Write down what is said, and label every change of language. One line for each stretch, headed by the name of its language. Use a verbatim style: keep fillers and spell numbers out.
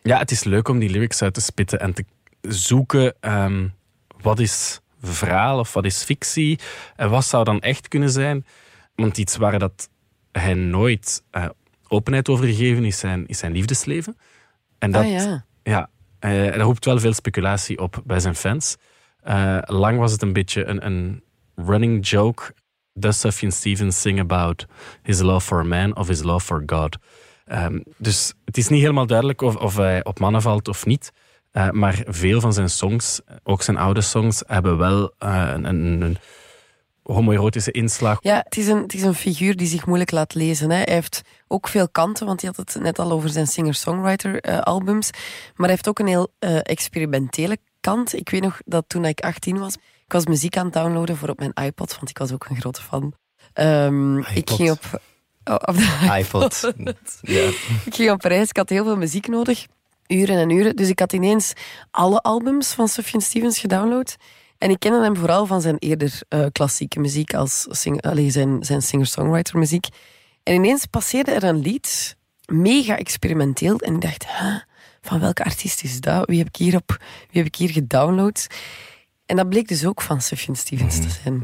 Dutch: Ja, het is leuk om die lyrics uit te spitten en te zoeken um, wat is verhaal of wat is fictie en wat zou dan echt kunnen zijn. Want iets waar dat hij nooit uh, openheid over gegeven is zijn, is zijn liefdesleven. En dat, ah, ja. Ja, uh, dat roept wel veel speculatie op bij zijn fans. Uh, lang was het een beetje een, een running joke.
English: Does Sufjan Stevens sing about his love for man of his love for God?
Dutch: Um, dus het is niet helemaal duidelijk of, of hij op mannen valt of niet. Uh, maar veel van zijn songs, ook zijn oude songs, hebben wel uh, een, een, een homoerotische inslag. Ja, het is, een, het is een figuur die zich moeilijk laat lezen. Hè. Hij heeft ook veel kanten, want hij had het net al over zijn singer-songwriter-albums. Uh, maar hij heeft ook een heel uh, experimentele kant. Ik weet nog dat toen ik achttien was, ik was muziek aan het downloaden voor op mijn iPod, want ik was ook een grote fan. Um, ik ging op, oh, op de iPod. Ja. Ik ging op reis, ik had heel veel muziek nodig. Uren en uren. Dus ik had ineens alle albums van Sufjan Stevens gedownload. En ik kende hem vooral van zijn eerder uh, klassieke muziek, als sing- allez, zijn, zijn singer-songwriter muziek. En ineens passeerde er een lied, mega experimenteel. En ik dacht, huh, van welke artiest is dat? Wie heb ik hier, op, wie heb ik hier gedownload? En dat bleek dus ook van Sufjan Stevens te zijn.